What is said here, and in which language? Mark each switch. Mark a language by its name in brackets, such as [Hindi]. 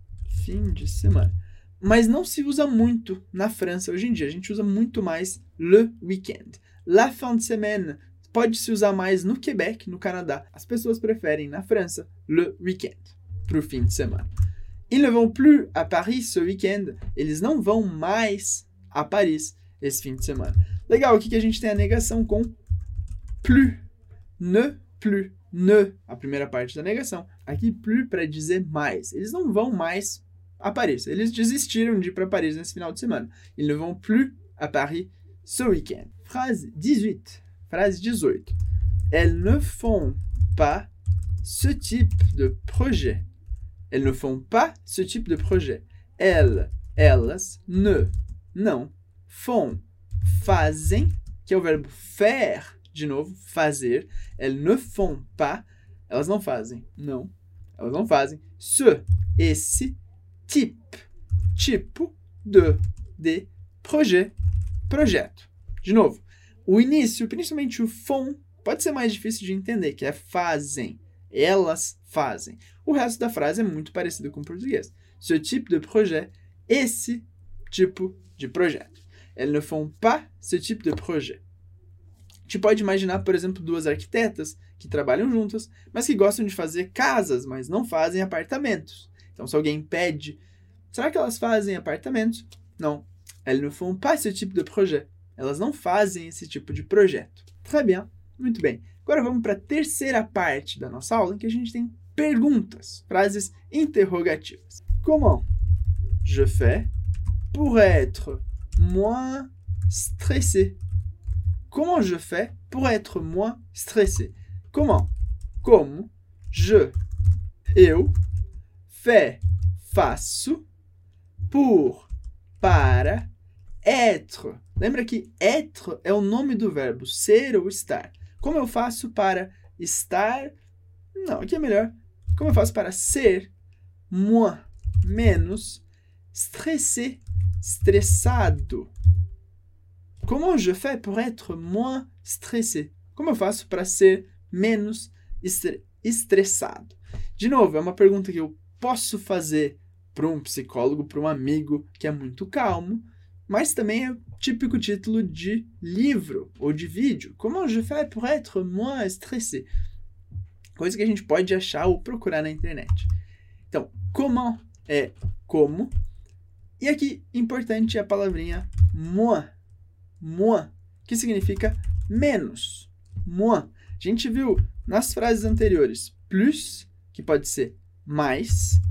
[Portuguese] Fim de semana. Mas não se usa muito na França hoje em dia. A gente usa muito mais le weekend. [French] La fin de semaine [Portuguese] pode se usar mais no Quebec, no Canadá. As pessoas preferem na França le weekend para o fim de semana. [French] Ils ne vont plus à Paris ce weekend. [Portuguese] Eles não vão mais a Paris esse fim de semana. Legal, aqui que a gente tem a negação com plus. Ne, plus. Ne, a primeira parte da negação. Aqui, plus para dizer mais. Eles não vão mais a Paris. Eles desistiram de ir para Paris nesse final de semana. [French] Ils ne vont plus à Paris ce weekend. [Portuguese] Frase 18. Frase 18. [French] Elles ne font pas ce type de projet. Elles ne font pas ce type de projet. Elles, elas, ne. [Portuguese] Não, font, fazem, que é o verbo faire, de novo, fazer. [French] Elles ne font pas, [Portuguese] elas não fazem, não, elas não fazem. Ce, esse, type, tipo de, projet, projeto. De novo, o início, principalmente o font, pode ser mais difícil de entender, que é fazem, elas fazem. O resto da frase é muito parecido com o português. [French] Ce type de projet, [Portuguese] esse tipo de projeto. [French] Elles ne font pas ce type de projet. [Portuguese] Tu pode imaginar, por exemplo, duas arquitetas que trabalham juntas, mas que gostam de fazer casas, mas não fazem apartamentos. Então, se alguém pede, será que elas fazem apartamentos? Não. [French] Elles ne font pas ce type de projet. [Portuguese] Elas não fazem esse tipo de projeto. [French] Très bien. [Portuguese] Muito bem. Agora vamos para a terceira parte da nossa aula, em que a gente tem perguntas, frases interrogativas. [French] Comment je fais pour être moins stressé? Comment je fais pour être moins stressé? Comment? [Portuguese] Como je, eu, fais, faço, pour, para, être. Lembra que être é o nome do verbo, ser ou estar. Como eu faço para estar? Não, aqui é melhor. Como eu faço para ser moins, menos, stressé? Estressado. [French] Comment je fais pour être moins stressé? [Portuguese] Como eu faço para ser menos estressado? De novo, é uma pergunta que eu posso fazer para um psicólogo, para um amigo que é muito calmo, mas também é típico título de livro ou de vídeo. [French] Comment je fais pour être moins stressé? [Portuguese] Coisa que a gente pode achar ou procurar na internet. Então, comment é como. E aqui, importante a palavrinha moins. Moins, que significa menos. Moins. A gente viu nas frases anteriores plus, que pode ser mais.